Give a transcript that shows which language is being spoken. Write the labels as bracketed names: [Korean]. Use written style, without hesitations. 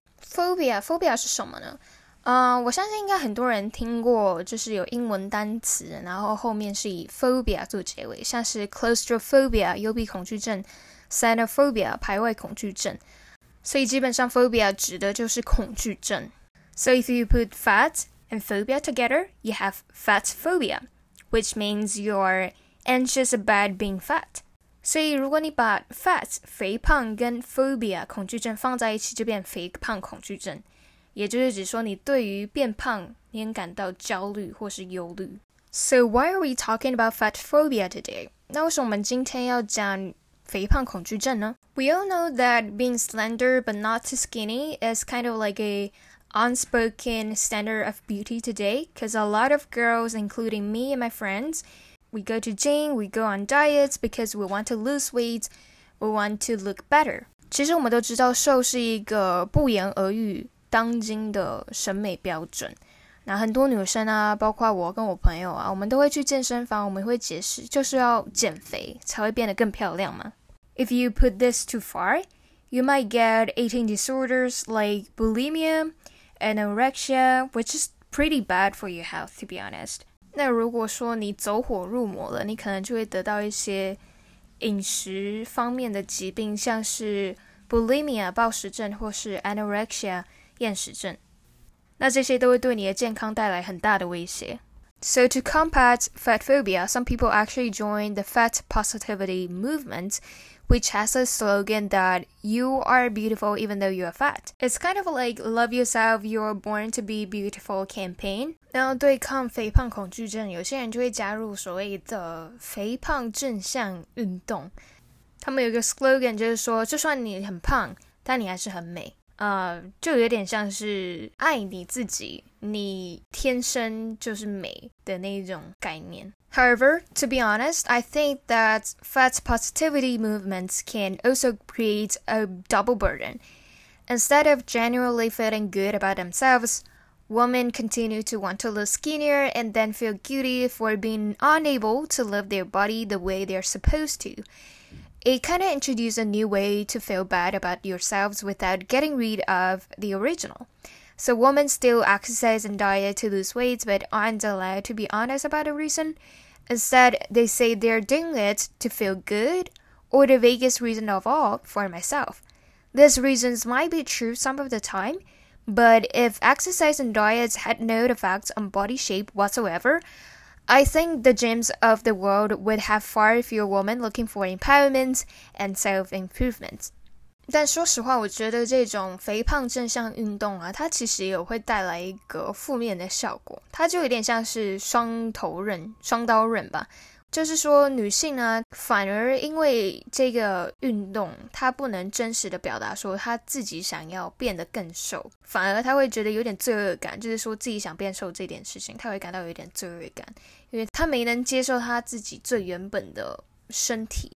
[Chinese] Phobia 是什么呢？我相信应该很多人听过，就是有英文单词，然后后面是以 phobia 做结尾，像是 claustrophobia 幽闭恐惧症 ，xenophobia 排外恐惧症。所以基本上 phobia 指的就是恐惧症。 [English] So if you put fat and phobia together, you have fat phobia, which means you're anxious about being fat. [Chinese] 所以如果你把 fat 肥胖跟 phobia 恐惧症放在一起，就变肥胖恐惧症，也就是指说你对于变胖你很感到焦虑或是忧虑。 [English] So why are we talking about fat phobia today? [Chinese] 那为什么我们今天要讲肥胖恐惧症呢？ [English] We all know that being slender but not too skinny is kind of like an unspoken standard of beauty today, because a lot of girls, including me and my friendsWe go to gym, we go on diets because we want to lose weight, we want to look better. [Chinese] 其实我们都知道瘦是一个不言而喻当今的审美标准。那很多女生啊，包括我跟我朋友啊，我们都会去健身房，我们会解释就是要减肥才会变得更漂亮嘛。 [English] If you put this too far, you might get eating disorders like bulimia and anorexia, which is pretty bad for your health, to be honest. [Chinese] 那如果说你走火入魔了，你可能就会得到一些饮食方面的疾病，像是 bulimia 暴食症或是 anorexia 厌食症。那这些都会对你的健康带来很大的威胁。 [English] So to combat fat phobia, some people actually join the fat positivity movement, which has a slogan that you are beautiful even though you are fat. It's kind of like love yourself, you're born to be beautiful campaign. [Chinese] 那对抗肥胖恐惧症，有些人就会加入所谓的肥胖正向运动。他们有一个 slogan 就是说，就算你很胖，但你还是很美。就有点像是爱你自己，你天生就是美的那种概念。 [English] However, to be honest, I think that fat positivity movements can also create a double burden. Instead of generally feeling good about themselves, women continue to want to look skinnier and then feel guilty for being unable to love their body the way they're supposed to. It kind of introduced a new way to feel bad about yourselves without getting rid of the original. So women still exercise and diet to lose weight but aren't allowed to be honest about the reason. Instead, they say they're doing it to feel good or the vaguest reason of all for myself. These reasons might be true some of the time, but if exercise and diets had no effect on body shape whatsoever,I think the gyms of the world would have far fewer women looking for empowerment and self-improvement. [Chinese] 但说实话，我觉得这种肥胖正向运动啊，它其实也会带来一个负面的效果。它就有点像是双刃吧。就是说女性呢反而因为这个运动她不能真实的表达说她自己想要变得更瘦，反而她会觉得有点罪恶感，就是说自己想变瘦这件事情她会感到有点罪恶感，因为她没能接受她自己最原本的身体。